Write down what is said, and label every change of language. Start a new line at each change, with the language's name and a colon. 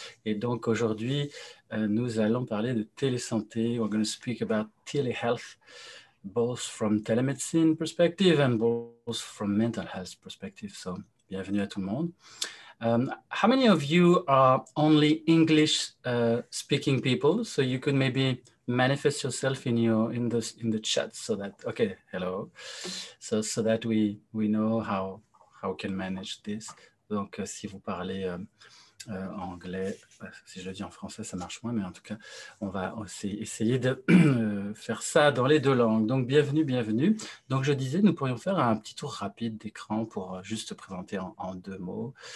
French: Et donc aujourd'hui, nous allons parler de télésanté.
English: We're going to speak about telehealth, both from telemedicine perspective and both from mental health perspective. So,
French: bienvenue à tout le monde.
English: How many of you are only English speaking people? So you could maybe manifest yourself in your in the chat so that okay, hello. So that we know how we can manage this.
French: Donc, si vous parlez anglais, si je le dis en français, ça marche moins, mais en tout cas, on va aussi essayer de faire ça dans les deux langues. Donc, bienvenue, bienvenue. Donc, je disais, nous pourrions faire un petit tour rapide d'écran pour juste présenter en deux mots.